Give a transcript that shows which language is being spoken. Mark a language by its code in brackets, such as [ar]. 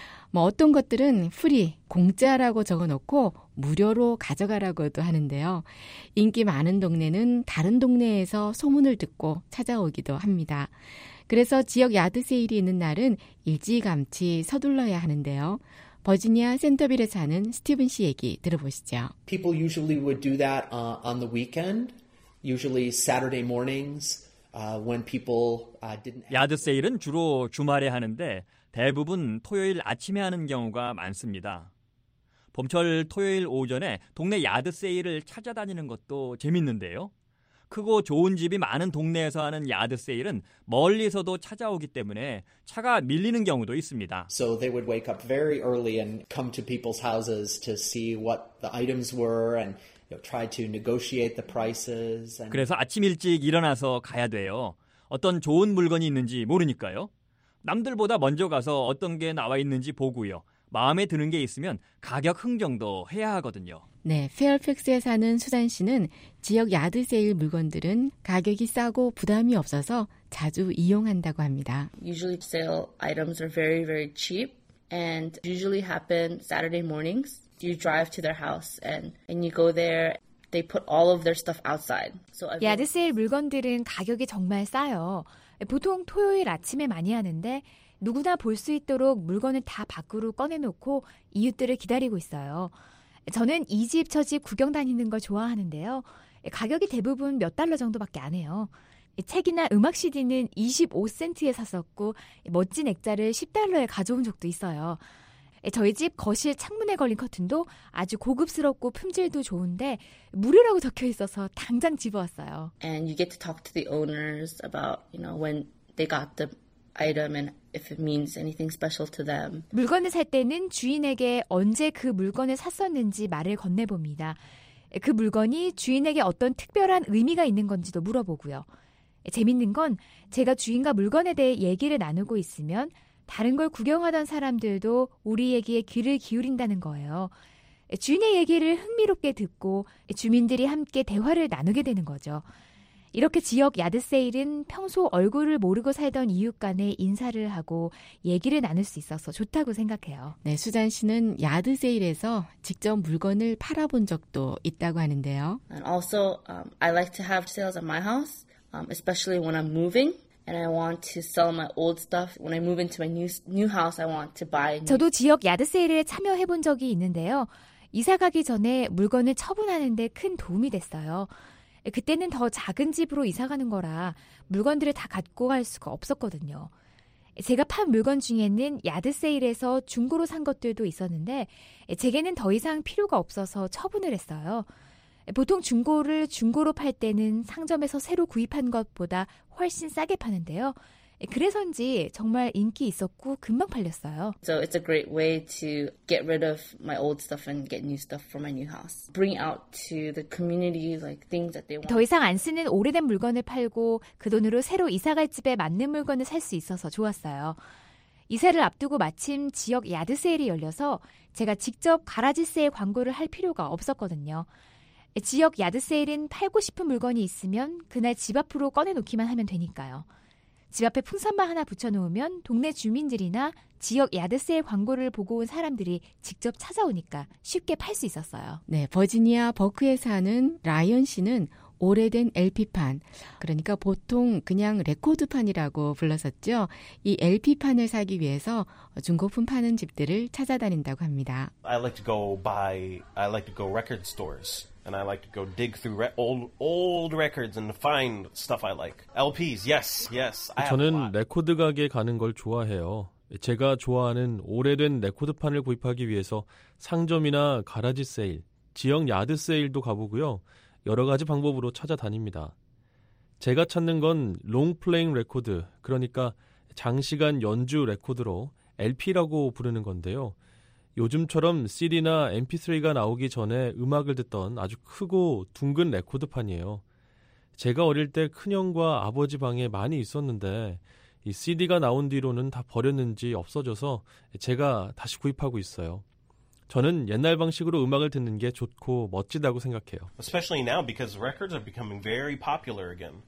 [ko] 뭐 어떤 것들은 프리, 공짜라고 적어놓고 무료로 가져가라고도 하는데요. 인기 많은 동네는 다른 동네에서 소문을 듣고 찾아오기도 합니다. 그래서 지역 야드 세일이 있는 날은 일찌감치 서둘러야 하는데요. 버지니아 센터빌에 사는 스티븐 씨 얘기 들어보시죠. [en] People usually would do that on the weekend, usually Saturday mornings when people didn't. [ko] 야드 세일은 주로 주말에 하는데 대부분 토요일 아침에 하는 경우가 많습니다. 봄철 토요일 오전에 동네 야드 세일을 찾아다니는 것도 재밌는데요. 크고 좋은 집이 많은 동네에서 하는 야드 세일은 멀리서도 찾아오기 때문에 차가 밀리는 경우도 있습니다. [en] So they would wake up very early and come to people's houses to see what the items were and try to negotiate the prices. [ko] 그래서 아침 일찍 일어나서 가야 돼요. 어떤 좋은 물건이 있는지 모르니까요. 남들보다 먼저 가서 어떤 게 나와 있는지 보고요. 마음에 드는 게 있으면 가격 흥정도 해야 하거든요. 네, 페어팩스에 사는 수잔 씨는 지역 야드 세일 물건들은 가격이 싸고 부담이 없어서 자주 이용한다고 합니다. [en] Usually sale items are very very cheap and usually happen Saturday mornings. You drive to their house and you go there. They put all of their stuff outside. [ko] So 야드 세일 물건들은 가격이 정말 싸요. 보통 토요일 아침에 많이 하는데 누구나 볼 수 있도록 물건을 다 밖으로 꺼내놓고 이웃들을 기다리고 있어요. 저는 이 집 저 집 구경 다니는 걸 좋아하는데요. 가격이 대부분 몇 달러 정도밖에 안 해요. 책이나 음악 CD는 25센트에 샀었고 멋진 액자를 10달러에 가져온 적도 있어요. 저희 집 거실 창문에 걸린 커튼도 아주 고급스럽고 품질도 좋은데 무료라고 적혀 있어서 당장 집어왔어요. [en] And you get to talk to the owners about, you know, when they got the item and if it means anything special to them. [ko] 물건을 살 때는 주인에게 언제 그 물건을 샀었는지 말을 건네봅니다. 그 물건이 주인에게 어떤 특별한 의미가 있는 건지도 물어보고요. 재밌는 건 제가 주인과 물건에 대해 얘기를 나누고 있으면 다른 걸 구경하던 사람들도 우리 얘기에 귀를 기울인다는 거예요. 주인의 얘기를 흥미롭게 듣고 주민들이 함께 대화를 나누게 되는 거죠. 이렇게 지역 야드세일은 평소 얼굴을 모르고 살던 이웃 간에 인사를 하고 얘기를 나눌 수 있어서 좋다고 생각해요. 네, 수잔 씨는 야드세일에서 직접 물건을 팔아본 적도 있다고 하는데요. [en] And also, I like to have sales at my house, especially when I'm moving. And I want to sell my old stuff. When I move into my new house, I want to buy new. [ko] 저도 지역 야드세일에 참여해본 적이 있는데요. 이사 가기 전에 물건을 처분하는 데 큰 도움이 됐어요. 그때는 더 작은 집으로 이사 가는 거라 물건들을 다 갖고 갈 수가 없었거든요. 제가 판 물건 중에는 야드세일에서 중고로 산 것들도 있었는데 제게는 더 이상 필요가 없어서 처분을 했어요. 보통 중고를 중고로 팔 때는 상점에서 새로 구입한 것보다 훨씬 싸게 파는데요. 그래서인지 정말 인기 있었고 금방 팔렸어요. [en] So it's a great way to get rid of my old stuff and get new stuff for my new house. Bring out to the community like things that they want. [ko] 더 이상 안 쓰는 오래된 물건을 팔고 그 돈으로 새로 이사 갈 집에 맞는 물건을 살 수 있어서 좋았어요. 이사를 앞두고 마침 지역 야드 세일이 열려서 제가 직접 가라지 세일 광고를 할 필요가 없었거든요. 지역 야드 세일은 팔고 싶은 물건이 있으면 그날 집 앞으로 꺼내놓기만 하면 되니까요. 집 앞에 풍선만 하나 붙여놓으면 동네 주민들이나 지역 야드 세일 광고를 보고 온 사람들이 직접 찾아오니까 쉽게 팔 수 있었어요. 네, 버지니아 버크에 사는 라이언 씨는 오래된 LP판, 그러니까 보통 그냥 레코드판이라고 불렀었죠. 이 LP판을 사기 위해서 중고품 파는 집들을 찾아다닌다고 합니다. [en] I like to go record stores. And I like to go dig through old records and find stuff I like. LPs, yes, yes. I have a lot. [ko] 저는 레코드 가게에 가는 걸 좋아해요. 제가 좋아하는 오래된 레코드판을 구입하기 위해서 상점이나 가라지 세일, 지역 야드 세일도 가보고요. 여러 가지 방법으로 찾아다닙니다. 제가 찾는 건 롱 플레잉 레코드, 그러니까 장시간 연주 레코드로 LP라고 부르는 건데요. 요즘처럼 CD나 MP3가 나오기 전에 음악을 듣던 아주 크고 둥근 레코드판이에요. 제가 어릴 때 큰형과 아버지 방에 많이 있었는데 이 CD가 나온 뒤로는 다 버렸는지 없어져서 제가 다시 구입하고 있어요. 저는 옛날 방식으로 음악을 듣는 게 좋고 멋지다고 생각해요. [en] Especially now because records are becoming very popular again.